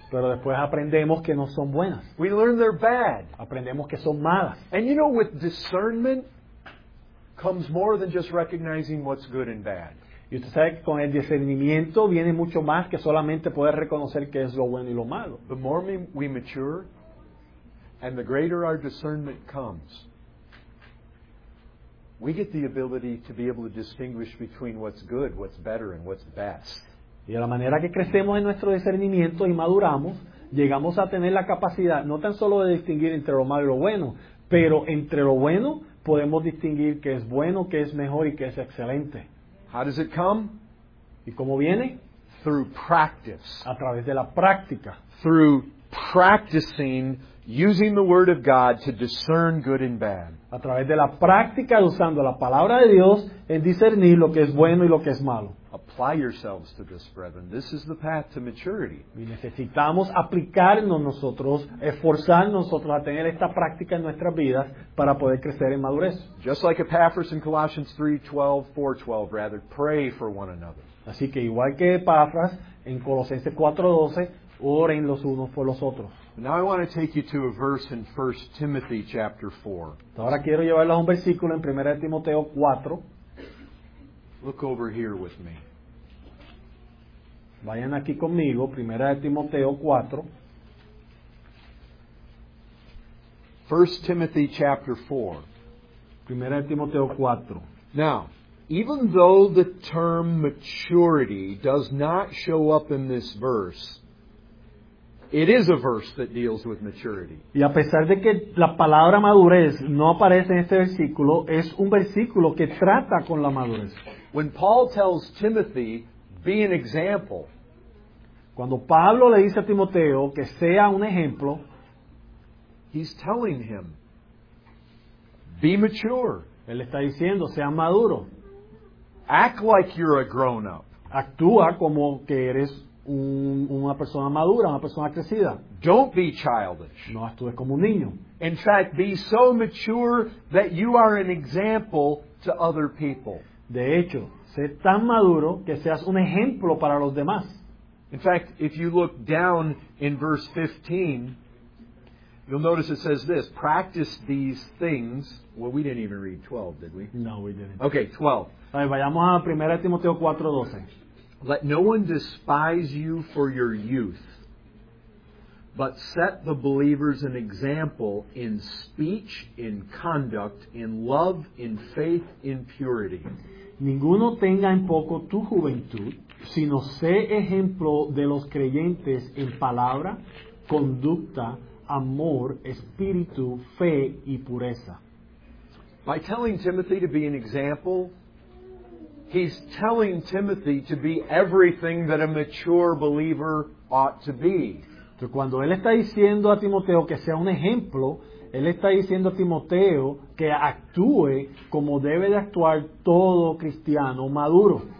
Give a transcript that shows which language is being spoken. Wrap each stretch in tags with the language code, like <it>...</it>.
<es>Pero después aprendemos que no son buenas.</es> <en>We learn they're bad.</en> <es>Aprendemos que son malas.</es> <en>And you know, with discernment comes more than just recognizing what's good and bad.</en> <es>Y usted sabe que con el discernimiento viene mucho más que solamente poder reconocer qué es lo bueno y lo malo.</es> <en>The more we mature and the greater our discernment comes, we get the ability to be able to distinguish between what's good, what's better, and what's best.</en> <es>Y a la manera que crecemos en nuestro discernimiento y maduramos, llegamos a tener la capacidad no tan solo de distinguir entre lo malo y lo bueno, pero entre lo bueno podemos distinguir qué es bueno, qué es mejor y qué es excelente.</es> <en>How does it come?</en> <es>¿Y cómo viene?</es> <en>Through practice.</en> <es>A través de la práctica.</es> <en>Through practicing using the word of God to discern good and bad.</en> <es>A través de la práctica usando la palabra de Dios en discernir lo que es bueno y lo que es malo.</es> <en>Apply yourselves to this, brethren. This is the path to maturity.</en> <es>Y necesitamos aplicarnos nosotros, esforzarnos nosotros a tener esta práctica en nuestras vidas para poder crecer en madurez.</es> <en>Just like Epaphras in Colossians 3:12, 4:12, rather, pray for one another.</en> <es>Así que igual que Epaphras en Colosenses 4:12, oren los unos por los otros.</es> <en>Now I want to take you to a verse in 1 Timothy chapter 4.</en> <es>Ahora quiero llevarlos a un versículo en 1 Timoteo 4.</es> <en>Look over here with me.</en> <es>Vayan aquí conmigo, 1 Timoteo 4.</es> <en>1 Timothy chapter 4.</en> <es>1 Timoteo 4.</es> <en>Now, even though the term maturity does not show up in this verse, it is a verse that deals with maturity.</en> <es>Y a pesar de que la palabra madurez no aparece en este versículo, es un versículo que trata con la madurez.</es> <en>When Paul tells Timothy, be an example.</en> <es>Cuando Pablo le dice a Timoteo que sea un ejemplo,</es> <en>he's telling him, be mature.</en> <es>Él está diciendo, sea maduro.</es> <en>Act like you're a grown up.</en> <es>Actúa como que eres una persona madura, una persona crecida.</es> <en>Don't be childish.</en> <es>No actúes como un niño.</es> <en>In fact, be so mature that you are an example to other people.</en> <es>De hecho, sé tan maduro que seas un ejemplo para los demás.</es> <en>In fact, if you look down in verse 15, you'll notice it says this, practice these things. Well, we didn't even read 12, did we? No, we didn't. Okay, 12.</en> <es>Ay, vayamos a 1 Timoteo 4:12.</es> <en>Let no one despise you for your youth, but set the believers an example in speech, in conduct, in love, in faith, in purity.</en> <es>Ninguno tenga en poco tu juventud, sino sé ejemplo de los creyentes en palabra, conducta, amor, espíritu, fe y pureza.</es> <en>By telling Timothy to be an example, he's telling Timothy to be everything that a mature believer ought to be.</en> <es>Entonces, cuando él está diciendo a Timoteo que sea un ejemplo, él está diciendo a Timoteo que actúe como debe de actuar todo cristiano maduro.</es>